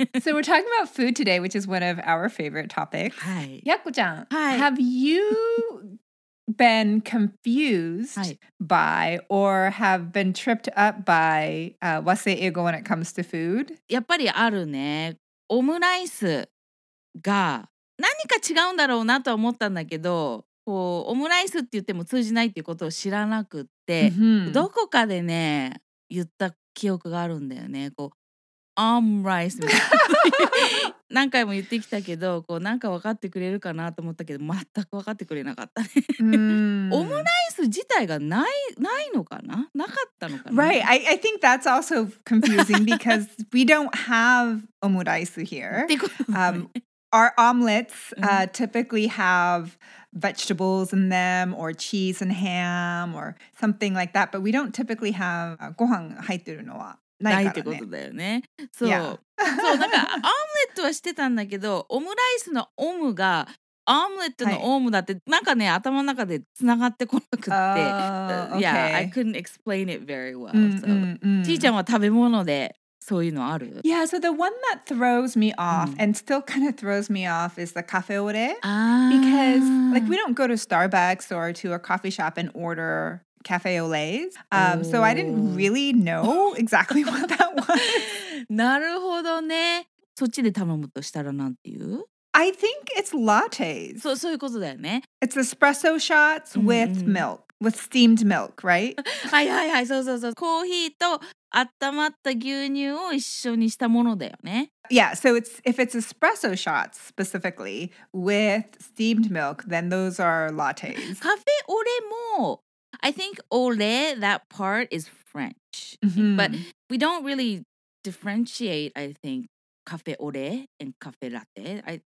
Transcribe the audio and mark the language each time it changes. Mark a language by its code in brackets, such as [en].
[en] So, we're talking about food today, which is one of our favorite topics. [ja] Hai. [en] Yako-chan, have you been confused by or have been tripped up by wase eigo when it comes to food? [ja] やっぱりあるね。オムライスが何か違うんだろうなとは思ったんだけど、こうオムライスって言っても通じないっていうことを知らなくって、 mm-hmm. どこかでね言った記憶があるんだよね。こうオムライスみたいな。何回も言ってきたけど、こうなんか分かってくれるかなと思ったけど、全く分かってくれなかったね。 mm. オムライス自体がないのかな？なかったのかな？ [en] Right. I think that's also confusing because we don't have omuraisu here. our omelets typically have vegetables in them or cheese and ham or something like that. But we don't typically have gohan [ja] 入ってるのは。ないってことだよね。そう、そうなんかオムレットはしてたんだけど、オムライスのオムがオムレットのオムだって、はい、なんかね頭の中でつながってこなくって、 [en] Yeah, I couldn't explain it very well. [ja] ちーちゃんは食べ物でそういうのある？ [en] Yeah, so the one that throws me off and still kind of throws me off is the cafe au lait. Because like we don't go to Starbucks or to a coffee shop and order. Cafe au lait. So I didn't really know exactly what that was. [ja] なるほどね。そっちで頼むとしたらなんていう？ [en] I think it's lattes. [ja] そう、そういうことだよね。 [en] It's espresso shots with milk, with steamed milk, right? [ja] はいはいはい、そうそうそう。コーヒーと温まった牛乳を一緒にしたものだよね。 [en] Yeah, so it's, if it's espresso shots specifically with steamed milk, then those are lattes. Cafe au lait もI think au lait, that part is French. Mm-hmm. But we don't really differentiate, I think, cafe au lait and cafe latte.